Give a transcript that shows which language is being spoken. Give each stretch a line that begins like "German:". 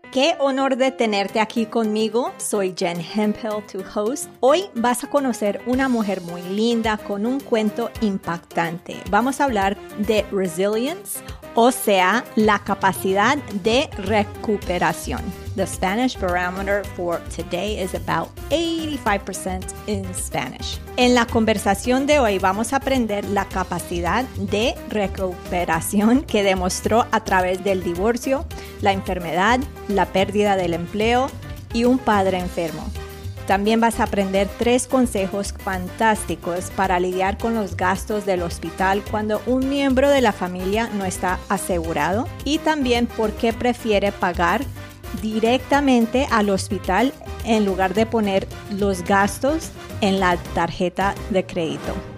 Spanish: Qué honor de tenerte aquí conmigo. Soy Jen Hempel, tu host. Hoy vas a conocer una mujer muy linda con un cuento impactante. Vamos a hablar de resilience, o sea, la capacidad de recuperación.
English: The Spanish barometer for today is about 85% in Spanish.
Spanish: En la conversación de hoy vamos a aprender la capacidad de recuperación que demostró a través del divorcio, la enfermedad, la pérdida del empleo y un padre enfermo. También vas a aprender tres consejos fantásticos para lidiar con los gastos del hospital cuando un miembro de la familia no está asegurado y también por qué prefiere pagar directamente al hospital en lugar de poner los gastos en la tarjeta de crédito.